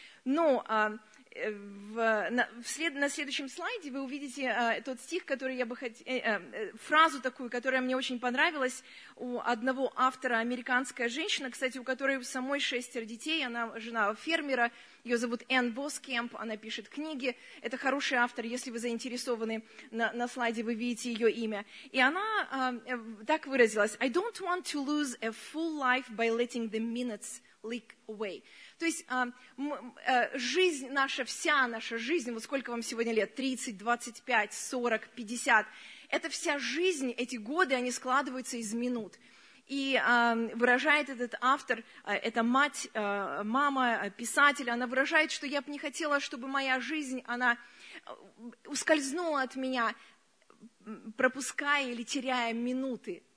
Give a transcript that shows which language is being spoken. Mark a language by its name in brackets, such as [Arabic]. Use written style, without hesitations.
[Russian] Но на следующем слайде вы увидите тот стих, который я бы хотела, фразу такую, которая мне очень понравилась у одного автора, американская женщина, кстати, у которой самой 6 детей, она жена фермера, ее зовут Энн Воскемп, она пишет книги, это хороший автор, если вы заинтересованы, на слайде вы видите ее имя. И она так выразилась: [English] «I don't want to lose a full life by letting the minutes leak away». [Russian] То есть жизнь наша, вся наша жизнь, вот сколько вам сегодня лет, 30, 25, 40, 50, это вся жизнь, эти годы, они складываются из минут. И выражает этот автор, эта мать, мама писателя, она выражает, что я бы не хотела, чтобы моя жизнь, она ускользнула от меня, пропуская или теряя минуты.